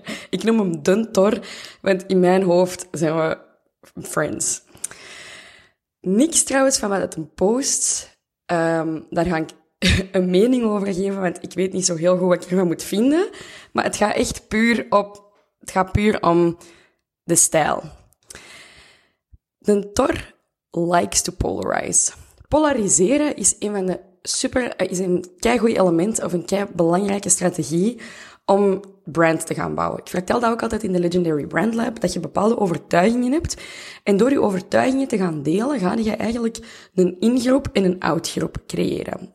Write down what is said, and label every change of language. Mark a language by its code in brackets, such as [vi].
[nl] Ik noem hem de Thor, want in mijn hoofd zijn we friends. Niks trouwens van wat het een post, daar hang ik een mening over geven, want ik weet niet zo heel goed wat ik ervan moet vinden. Maar het gaat echt puur om de stijl. [en] De Thor likes to polarize. [nl] Polariseren is een keigoed element of een kei belangrijke strategie om brand te gaan bouwen. Ik vertel dat ook altijd in de Legendary Brand Lab, dat je bepaalde overtuigingen hebt. En door je overtuigingen te gaan delen, ga je eigenlijk een ingroep en een outgroep creëren.